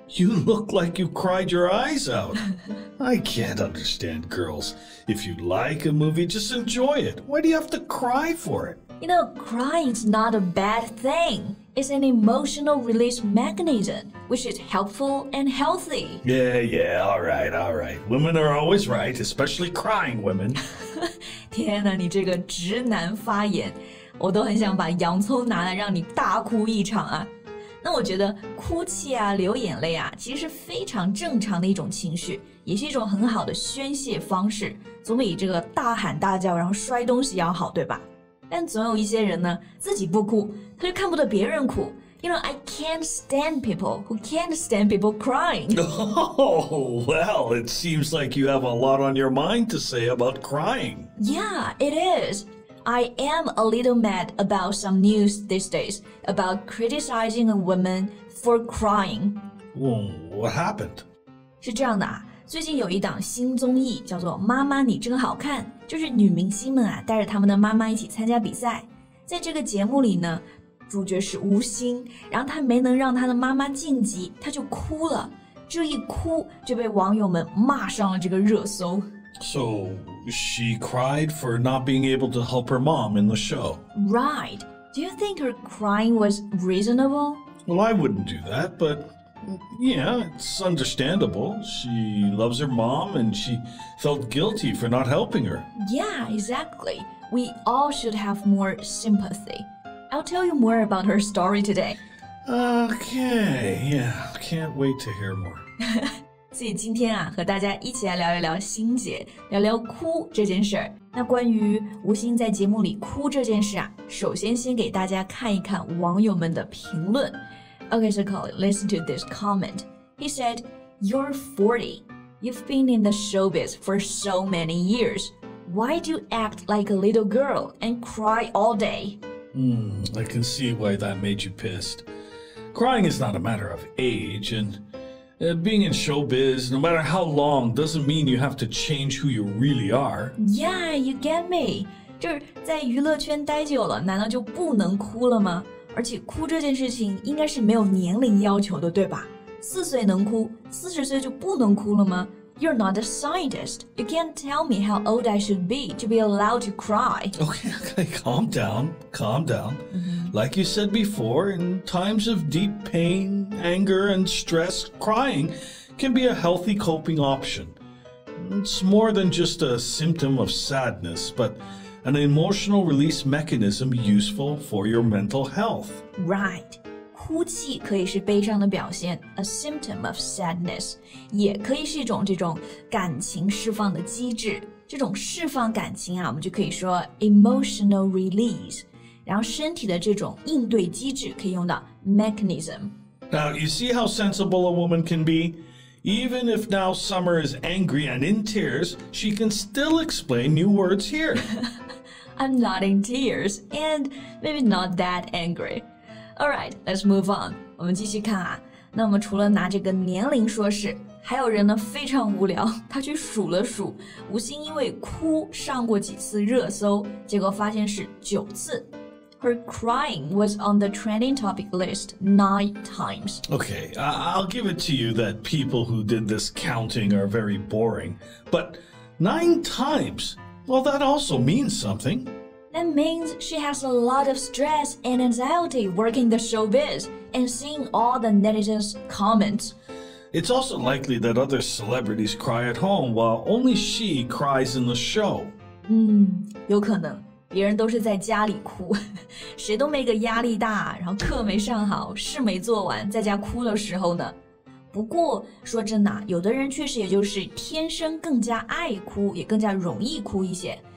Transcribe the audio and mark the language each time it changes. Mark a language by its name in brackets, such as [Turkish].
[English] You look like you cried your eyes out. I can't understand girls. If you like a movie, just enjoy it. Why do you have to cry for it? You know, crying's not a bad thing. It's an emotional release mechanism, which is helpful and healthy. Yeah, all right. Women are always right, especially crying women. [Chinese] 天哪，你这个直男发言，我都很想把洋葱拿来让你大哭一场啊。那我觉得哭泣啊，流眼泪啊，其实是非常正常的一种情绪，也是一种很好的宣泄方式，总比这个大喊大叫然后摔东西要好，对吧？但总有一些人呢，自己不哭，他就看不得别人哭。 [English] You know, I can't stand people who can't stand people crying. Oh, well, it seems like you have a lot on your mind to say about crying. Yeah, it is. I am a little mad about some news these days about criticizing a woman for crying. What happened? [Chinese] 是这样的啊，最近有一档新综艺叫做《妈妈你真好看》，就是女明星们啊带着她们的妈妈一起参加比赛。在这个节目里呢，主角是吴昕，然后她没能让她的妈妈晋级，她就哭了。这一哭就被网友们骂上了这个热搜。 [English] So, she cried for not being able to help her mom in the show. Right. Do you think her crying was reasonable? Well, I wouldn't do that, but yeah, it's understandable. She loves her mom and she felt guilty for not helping her. Yeah, exactly. We all should have more sympathy. I'll tell you more about her story today. Okay, yeah, can't wait to hear more. [Chinese] 所以今天啊，和大家一起来聊一聊心结，聊聊哭这件事儿。那关于吴昕在节目里哭这件事啊，首先先给大家看一看网友们的评论。 [English] Okay, so Colin, listen to this comment. He said, "You're 40. You've been in the showbiz for so many years. Why do you act like a little girl and cry all day?" I can see why that made you pissed. Crying is not a matter of age, and being in showbiz, no matter how long, doesn't mean you have to change who you really are. Yeah, you get me. [Chinese] 就是在娱乐圈待久了，难道就不能哭了吗？而且哭这件事情应该是没有年龄要求的，对吧？四岁能哭，四十岁就不能哭了吗？ [English] You're not a scientist. You can't tell me how old I should be to be allowed to cry. Okay, calm down. Like you said before, in times of deep pain, anger, and stress, crying can be a healthy coping option. It's more than just a symptom of sadness, but an emotional release mechanism useful for your mental health. [Chinese] Right. 哭泣可以是悲伤的表现 a symptom of sadness, 也可以是一种这种感情释放的机制。这种释放感情啊，我们就可以说 emotional release, 然后身体的这种应对机制可以用到 mechanism. [English] Now, you see how sensible a woman can be? Even if now Summer is angry and in tears, she can still explain new words here. I'm not in tears, and maybe not that angry. Alright, let's move on. 我们继续看啊。 [Chinese] 那我们除了拿这个年龄说事，还有人呢非常无聊，他去数了数，吴昕因为哭上过几次热搜，结果发现是九次。 [English] Her crying was on the trending topic list 9 times. Okay, I'll give it to you that people who did this counting are very boring. But 9 times? Well, that also means something. That means she has a lot of stress and anxiety working the showbiz and seeing all the netizens' comments. It's also likely that other celebrities cry at home while only she cries in the show. [Chinese] 有可能，别人都是在家里哭，谁都没个压力大，然后课没上好，事没做完，在家哭的时候呢。不过说真的，有的人确实也就是天生更加爱哭，也更加容易哭一些。